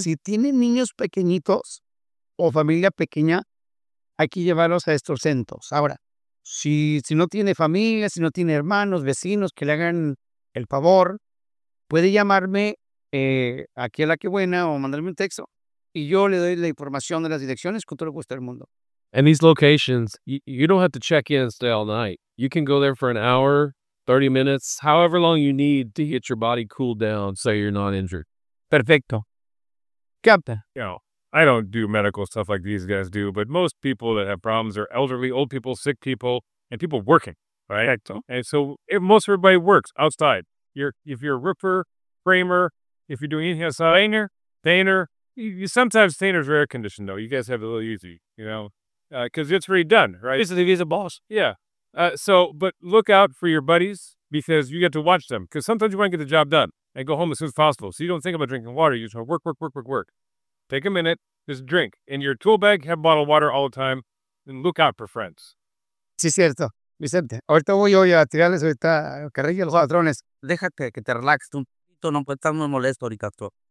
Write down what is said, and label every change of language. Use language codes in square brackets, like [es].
[es] Si tiene niños pequeñitos o familia pequeña, hay que llevarlos a estos centros. Ahora, si no tiene familia, si no tiene hermanos, vecinos que le hagan el favor, puede llamarme aquí a La Que Buena o mandarme un texto y yo le doy la información de las direcciones con todo el gusto del mundo. [en] And these locations, you don't have to check in and stay all night. You can go there for an hour, 30 minutes, however long you need to get your body cooled down so you're not injured. [es] Perfecto. [en] Captain. You know, I don't do medical stuff like these guys do, but most people that have problems are elderly, old people, sick people, and people working, right? [es] Perfecto. [en] And so most everybody works outside. If you're a roofer, framer, if you're doing anything outside. Painter. Sometimes painters are air-conditioned, though. You guys have it a little easy, you know, because it's already done, right? Basically, he's a boss. Yeah. But look out for your buddies because you get to watch them. Because sometimes you want to get the job done and go home as soon as possible. So you don't think about drinking water. You just want to work. Take a minute, just drink. In your tool bag, have a bottle of water all the time. And look out for friends. [es] Sí, cierto. Vicente, ahorita voy yo a tirarles ahorita carrillo a los ladrones. Déjate que te relaxes un poquito, no puedes estar muy molesto ahorita. Tú.